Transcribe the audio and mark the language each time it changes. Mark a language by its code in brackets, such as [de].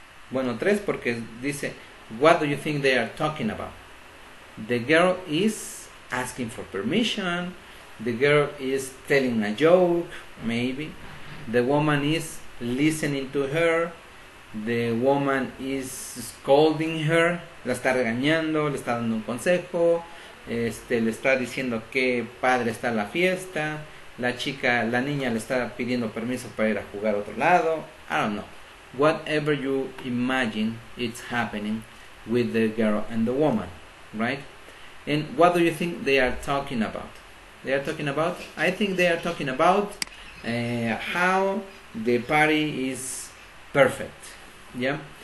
[es] Bueno, tres, porque dice: [en] What do you think they are talking about? The girl is asking for permission. The girl is telling a joke, maybe. The woman is listening to her. The woman is scolding her. [es] La está regañando, le está dando un consejo. Le está diciendo qué padre está la fiesta. La niña le está pidiendo permiso para ir a jugar a otro lado. [en] I don't know. Whatever you imagine, it's happening with the girl and the woman, right? And what do you think they are talking about? They are talking about, I think they are talking about how the party is perfect. Yeah?